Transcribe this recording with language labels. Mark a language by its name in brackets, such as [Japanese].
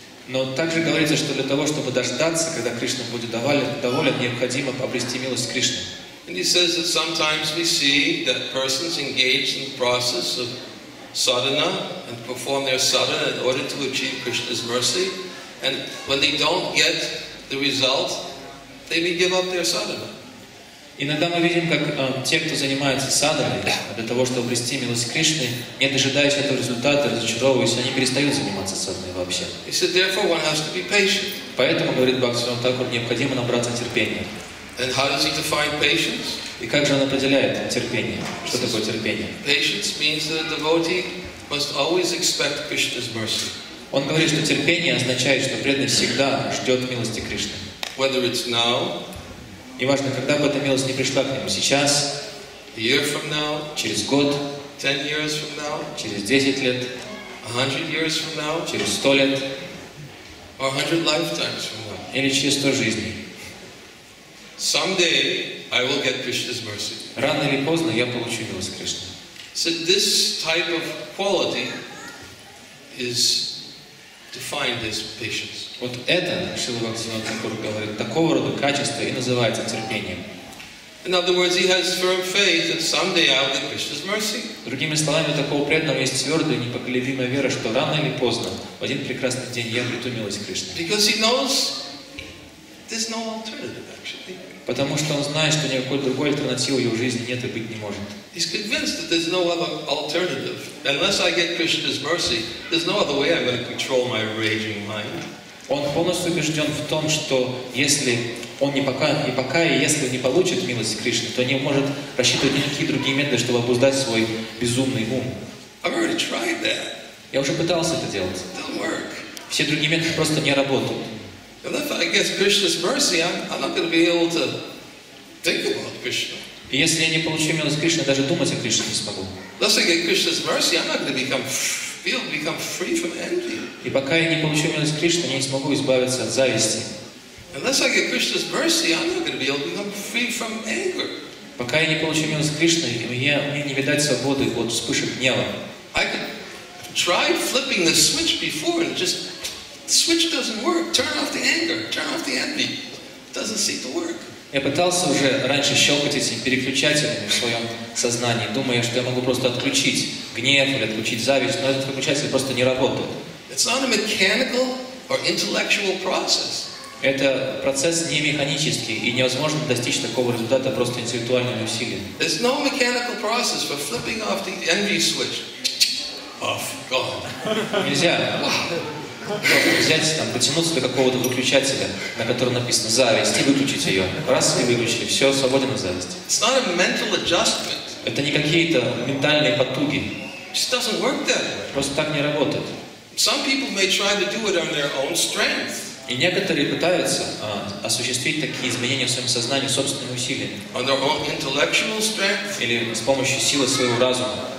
[Russian] Но также говорится, что для того, чтобы дождаться, когда Кришна будет доволен, необходимо обрести милость Кришны. [English] And he says that sometimes we see that persons engaged in the process of sadhana and perform their sadhana in order to achieve Krishna's mercy, and when they don't get the result, they may give up their sadhana. [Russian] Иногда мы видим, как те, кто занимается садханой для того, чтобы обрести милость Кришны, не дожидаясь этого результата, разочаровываясь, они перестают заниматься садханой вообще. [English] He said, therefore, one has to be patient. [Russian] Поэтому, говорит Бхактисиддханта Тхакур, необходимо набраться терпения. [English] And how does he define patience? [Russian] И как же он определяет терпение? Что такое терпение? [English] Patience means that a devotee must always expect Krishna's mercy. [Russian] Он говорит, что терпение означает, что преданный всегда ждет милости Кришны. [English] Whether it's now. [Russian] И важно, когда бы эта милость не пришла к нему. Сейчас, [English] a year from now, [Russian] через год, [English] 10 years from now, [Russian] через 10 лет, [English] 100 years from now, [Russian] через 100 лет, [English] or 100 lifetimes from now. [Russian] Или через 100 жизней. [English] Someday I will get Krishna's mercy. [Russian] Рано или поздно я получу милость Кришны. [English] So this type of quality is defined as patience. [Russian] Вот это, Шрила Бхактисиддханта Тхакур говорит, такого рода качество и называется терпением. [English] In other words, he has firm faith that someday I'll get Krishna's mercy. [Russian] Другими словами, у такого преданного есть твердая, непоколебимая вера, что рано или поздно, в один прекрасный день, я обрету милость Кришны. [English] Because he knows there's no alternative, actually. [Russian] Потому что он знает, что никакой другой альтернативы его жизни нет и быть не может. [English] He's convinced that there's no other alternative. Unless I get Krishna's mercy, there's no other way I'm going to control my raging mind. [Russian] Он полностью убежден в том, что если он если не получит милость Кришны, то не может рассчитывать ни на какие другие методы, чтобы обуздать свой безумный ум. [English] I've already tried that. [Russian] Я уже пытался это делать. [English] It don't work. [Russian] Все другие методы просто не работают. [English] And if I get Krishna's mercy, I'm not going to be able to think about Krishna. [Russian] И если я не получу милость Кришны, даже думать о Кришне не смогу. [English] Unless I get Krishna's mercy, I'm not going to become free from envy. [Russian] И пока я не получу милость Кришны, я не смогу избавиться от зависти. [English] Unless I get Krishna's mercy, I'm not going to be able to become free from anger. [Russian] Пока я не получу милость Кришны, мне не видать свободы от вспышек гнева. [English] I could try flipping the switch before and just the switch doesn't work. Turn off the anger. Turn off the envy. It doesn't seem to work. [Russian] Я пытался уже раньше щелкать этими переключателями в своем сознании, думая, что я могу просто отключить гнев или отключить зависть, но этот переключатель просто не работает. [English] It's not a mechanical or intellectual process. [Russian] Это процесс не механический, и невозможно достичь такого результата просто интеллектуальными усилиями. [English] There's no mechanical process for flipping off the envy switch. Off. Gone. [Russian] Нельзя. Просто взять, там, потянуться до какого-то выключателя, на котором написано «зависть», и выключить ее. Раз и выключили, все, свободен от зависти. [English] It's not a mental adjustment. [Russian] Это не какие-то ментальные потуги. [English] It just doesn't work that way. [Russian] Просто так не работает. [English] Some people may try to do it on their own strength. [Russian] И некоторые пытаются осуществить такие изменения в своем сознании собственными усилиями. [English] On their own intellectual strength. [Russian] Или с помощью силы своего разума.